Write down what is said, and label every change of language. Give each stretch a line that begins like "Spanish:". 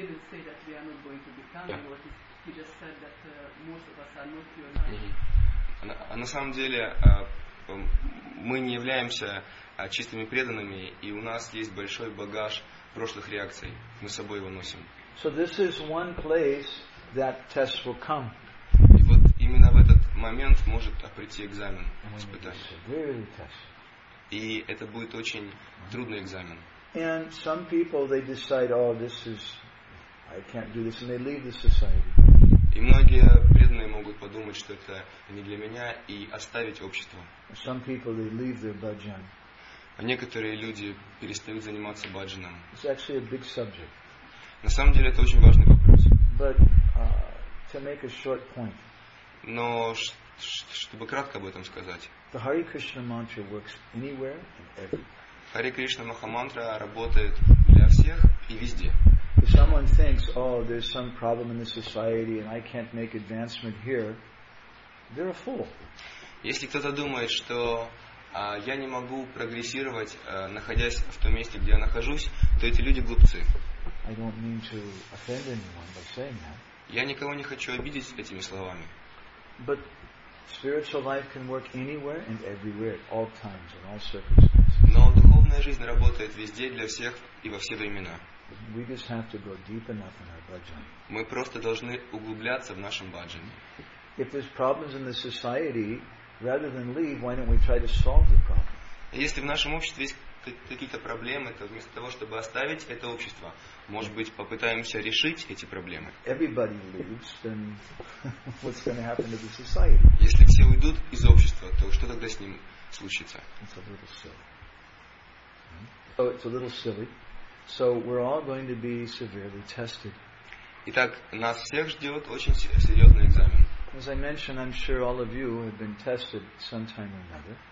English: Say that we are not going to become what he just said that most of us are not pure
Russian: А на самом деле мы не являемся чистыми преданными, и у нас есть большой багаж прошлых реакций. Мы с собой его носим.
English: So this is one place that tests will come.
Russian: И вот именно в этот момент может прийти экзамен, испытание. И это будет очень трудный экзамен.
English: And some people, they decide, oh, this is, I can't do this, and they leave the society.
Russian: И многие преданные могут подумать, что это не для меня, и оставить общество.
English: Some people, they leave their bhajan.
Russian: А некоторые люди перестают заниматься баджаном.
English: It's actually a big subject.
Russian: На самом деле это очень важный вопрос.
English: But, to make a short point.
Russian: Но чтобы кратко об этом сказать.
English: The Hare Krishna mantra works anywhere and everywhere.
Russian: Hare Krishna Mahamantra работает для всех и везде.
English: If someone thinks, oh, there's some problem in the society and I can't make advancement here, they're a fool.
Russian: Если кто-то думает, что я не могу прогрессировать, находясь в том месте, где я нахожусь, то эти люди глупцы.
English: I don't mean to offend anyone by saying that.
Russian: Я никого не хочу обидеть этими словами.
English: But spiritual life can work anywhere and everywhere, at all times and all circumstances.
Russian: Но духовная жизнь работает везде, для всех и во все времена.
English: We just have to go deep enough in our bhajan.
Russian: Мы просто должны углубляться в нашем баджане.
English: If there's problems in the society, rather than leave, why don't we try to solve the problem?
Russian: Если в нашем обществе есть какие-то проблемы, то вместо того, чтобы оставить это общество, может быть, попытаемся решить эти проблемы.
English: Everybody leaves, then what's going to happen to the society?
Russian: Если все уйдут из общества, то что тогда с ним случится?
English: It's a little silly. So it's a little silly. So we're all going to be severely tested.
Russian: Итак, нас всех ждет очень серьезный экзамен.
English: As I mentioned, I'm sure all of you have been tested sometime or another.